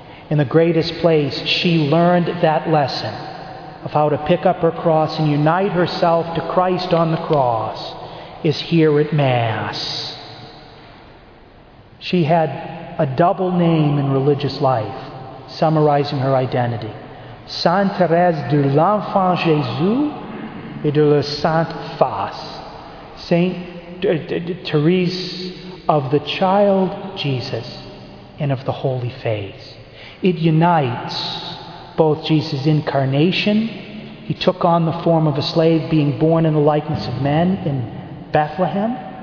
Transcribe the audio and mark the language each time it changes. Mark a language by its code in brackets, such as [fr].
[en] In the greatest place, she learned that lesson of how to pick up her cross and unite herself to Christ on the cross is here at Mass. She had a double name in religious life, summarizing her identity. [fr] Sainte Thérèse de l'Enfant Jésus et de la Sainte Face. [en] Saint Thérèse of the Child Jesus and of the Holy Face. It unites both Jesus' incarnation. He took on the form of a slave, being born in the likeness of men in Bethlehem.